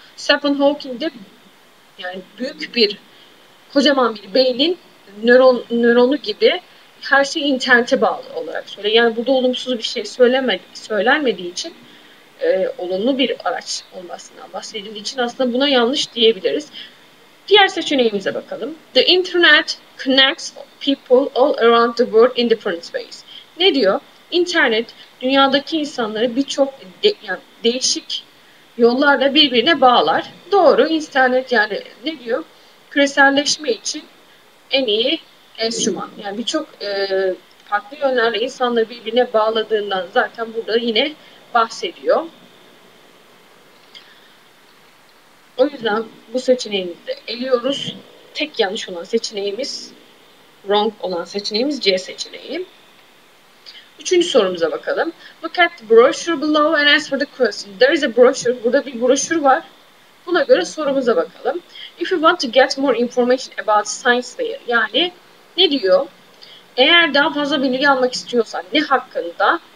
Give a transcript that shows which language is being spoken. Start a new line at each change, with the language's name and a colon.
Turkish: Stephen Hawking de yani büyük bir, kocaman bir beynin nöronu gibi her şey internete bağlı olarak söylüyor. Yani burada olumsuz bir şey söylenmediği için olumlu bir araç olmasından bahsedildiği için aslında buna yanlış diyebiliriz. Diğer seçeneğimize bakalım.
English: The internet connects people all around the world in different ways.
Turkish: Ne diyor? İnternet dünyadaki insanları birçok yani değişik yollarla birbirine bağlar. Doğru, internet yani ne diyor? Küreselleşme için en iyi enstrüman. Yani birçok farklı yönlerle insanları birbirine bağladığından zaten burada yine bahsediyor. O yüzden bu seçeneği de eliyoruz. Tek yanlış olan seçeneğimiz, wrong olan seçeneğimiz C seçeneği. Üçüncü sorumuza bakalım.
English: Look at the brochure below and answer the question. There is a brochure.
Turkish: Burada bir broşür var. Buna göre sorumuza bakalım.
English: If you want to get more information about science fair.
Turkish: Yani ne diyor? Eğer daha fazla bilgi almak istiyorsan ne hakkında?